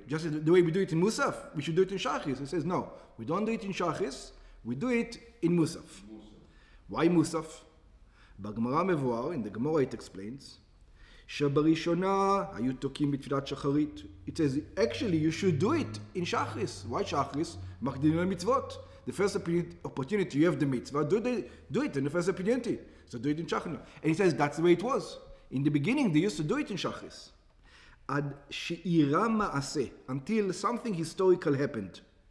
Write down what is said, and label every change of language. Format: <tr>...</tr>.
<en>Just the way we do it in Musaf. We should do it in shachris. He says, no, we don't do it in shachris. We do it in Musaf. Why Musaf?</en> <he>Bagmara mevoar,</he> <en>in the Gemara it explains,</en> <he>שבראשונה היו תוקים בתפילת שחרית.</he> <en>It says, actually, you should do it in shachris. Why shachris?</en> <he>מקדימים למצוות.</he> <en>The first opportunity, you have the mitzvah, do it in the first opportunity. So do it in shachris. And he says, that's the way it was. In the beginning, they used to do it in shachris.</en> <he>Ad she'ira ma'aseh,</he> <en>until something historical happened.</en>